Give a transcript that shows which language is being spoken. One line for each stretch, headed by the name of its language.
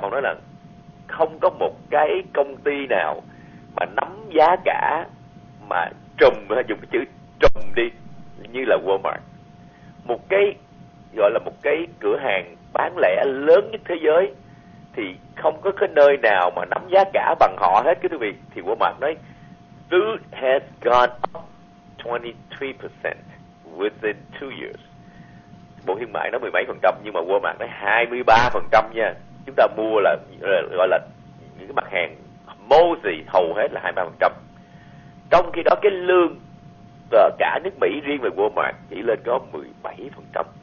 Vietnamese: Ông nói là không có một cái công ty nào mà nắm giá cả mà trùm, dùng cái chữ trùm đi, như là Walmart, một cái gọi là một cái cửa hàng bán lẻ lớn nhất thế giới, thì không có cái nơi nào mà nắm giá cả bằng họ hết, quý vị. Thì Walmart nói
English: food has gone up 23% within 2 years.
Vietnamese: Bộ Thương mại nói 17%, nhưng mà Walmart nói 23% nha. Chúng ta mua là gọi là những cái mặt hàng mosey hầu hết là 23%. Trong khi đó cái lương cả nước Mỹ riêng về Walmart chỉ lên có 17%.